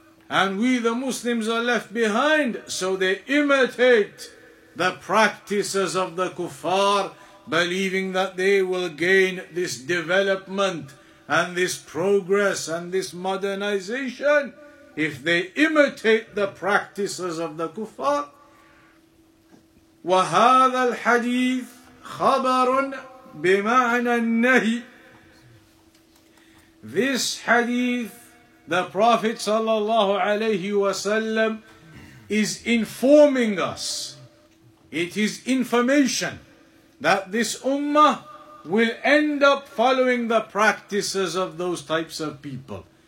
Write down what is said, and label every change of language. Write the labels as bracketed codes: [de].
[en] And we, the Muslims, are left behind. So they imitate the practices of the kuffar, believing that they will gain this development and this progress and this modernization if they imitate the practices of the kuffar. [ar] وهذا الحديث خبر بمعنى النهي. [en] This hadith, the Prophet sallallahu alayhi wasallam is informing us. It is information that this ummah will end up following the practices of those types of people.